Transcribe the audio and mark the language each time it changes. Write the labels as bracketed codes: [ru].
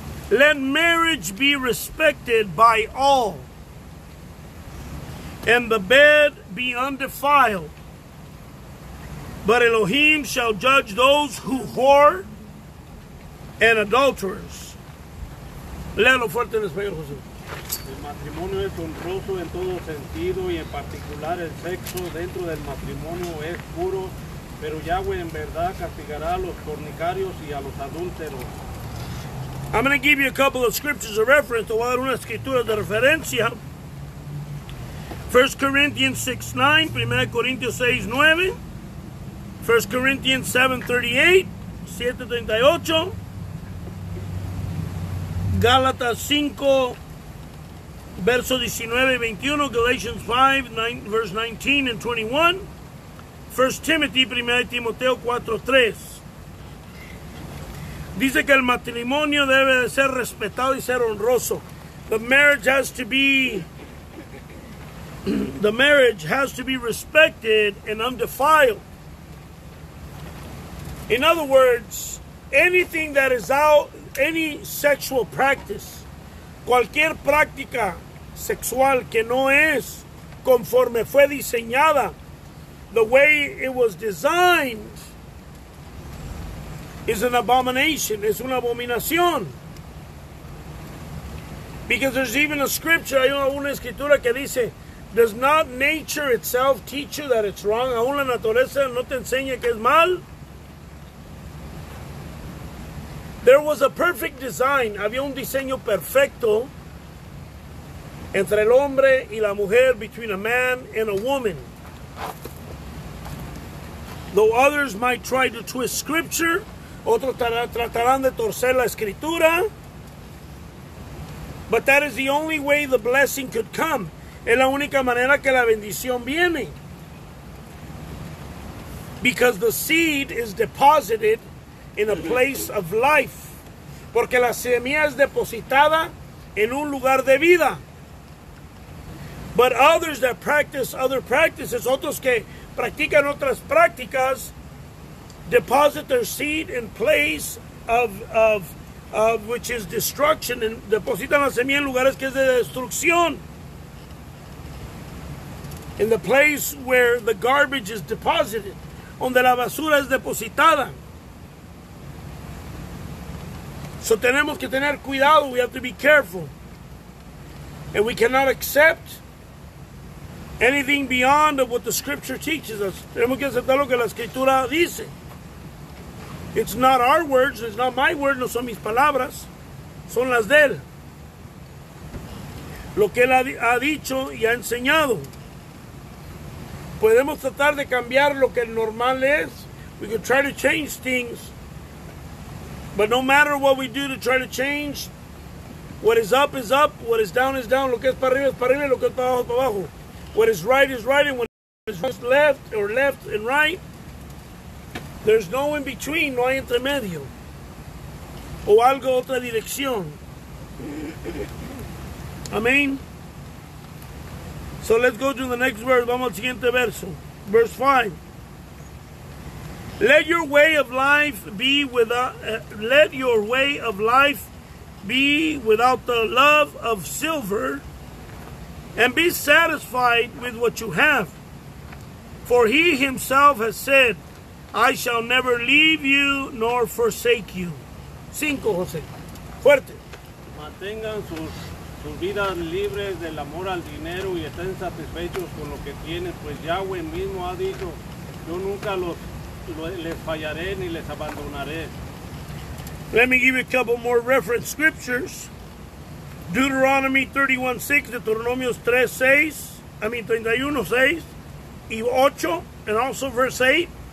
[en] Let marriage be respected by all, and the bed be undefiled. But Elohim shall judge those who whore and adulterers. [es] Léalo fuerte en español, José. El matrimonio es honroso en todo sentido, y en particular el sexo dentro del matrimonio es puro, pero Yahweh en verdad castigará a los fornicarios y a los adúlteros. [en] I'm going to give you a couple of scriptures of reference. [es] Te voy a dar una escritura de referencia. [en] 1 Corinthians 6:9, 1 Corintios 6:9, 1 Corinthians 7:38, 7:38, Galatas 5:19-21, Galatians 5:19-21, 1 Timothy 1 Timoteo 4:3. [es] Dice que el matrimonio debe de ser respetado y ser honroso. [en] The marriage has to be respected and undefiled. In other words, anything that is out, any sexual practice, [es] cualquier práctica sexual que no es conforme fue diseñada, [en] the way it was designed, is an abomination. [es] Es una abominación. [en] Because there's even a scripture, [es] hay una escritura que dice, [en] does not nature itself teach you that it's wrong? [es] ¿Aún la naturaleza no te enseña que es mal? [en] There was a perfect design. [es] Había un diseño perfecto entre el hombre y la mujer, [en] between a man and a woman. Though others might try to twist scripture, [es] otros tratarán de torcer la escritura, [en] but that is the only way the blessing could come. [es] Es la única manera que la bendición viene. [en] Because the seed is deposited in a place of life. [es] Porque la semilla es depositada en un lugar de vida. [en] But others that practice other practices, [es] otros que practican otras prácticas, [en] deposit their seed in place of which is destruction, and [es] depositan la semilla en lugares que es de destrucción. [en] In the place where the garbage is deposited, [es] donde la basura es depositada. [en] So [es] tenemos que tener cuidado, [en] we have to be careful. And we cannot accept anything beyond of what the scripture teaches us. [es] Tenemos que aceptar lo que la escritura dice. [en] It's not our words, it's not my words, [es] no son mis palabras, son las de él. Lo que él ha dicho y ha enseñado. Podemos tratar de cambiar lo que normal es. [en] We can try to change things. But no matter what we do to try to change, what is up is up, what is down is down. [es] Lo que es para arriba y lo que es para abajo es para abajo. [en] What is right is right, and what is left or left and right, there's no in between, no hay entremedio. [es] O algo, otra dirección. [en] Amén. So let's go to the next verse. [es] Vamos al siguiente verso. [en] Verse 5. Let your way of life be without the love of silver, and be satisfied with what you have. For he himself has said, I shall never leave you nor forsake you. [es] 5, José. Fuerte. Mantengan sus vidas libres del amor al dinero y estén satisfechos con lo que tienen, pues Yahweh mismo ha dicho, yo nunca les fallaré ni les abandonaré. [en] Let me give you a couple more reference scriptures. Deuteronomy 31:6, Deuteronomios 31:6-8, and also verse 8.